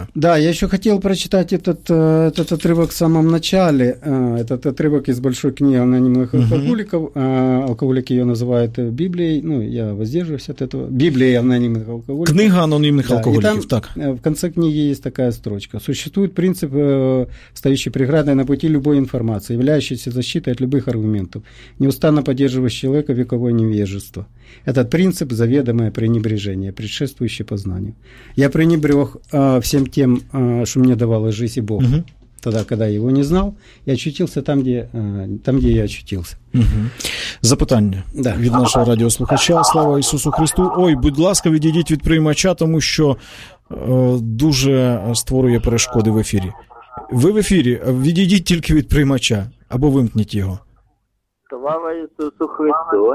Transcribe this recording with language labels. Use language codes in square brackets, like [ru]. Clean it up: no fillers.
[uk] Так, да, я ще хотів прочитати этот отривок в самому началі. Этот отривок із большой книги анонимних алкоголіків. Алкоголіки її називають Біблією. Ну, я воздержуюся від цього. Біблія анонимних алкоголіків. Книга анонимних алкоголіків, там, так. В кінці книги є така строчка. [ru] Существует принцип, стоящий преградой на пути любой информации, являющийся защитой от любых аргументов, неустанно поддерживающий человека вековой невежество. Этот принцип – заведомое пренебрежение, предшествующее познанию. Я пренебрег всем тем, что мне давала жизнь и Бог. Угу. Тогда, когда я его не знал, я очутился там, где я очутился. Угу. [uk] Запитання від нашого радіослухача. Слава Ісусу Христу. Ой, будь ласка, відійдіть від приймача, тому що дуже створює перешкоди в ефірі. Ви в ефірі, відійдіть тільки від приймача або вимкніть його. Слава Ісусу Христу.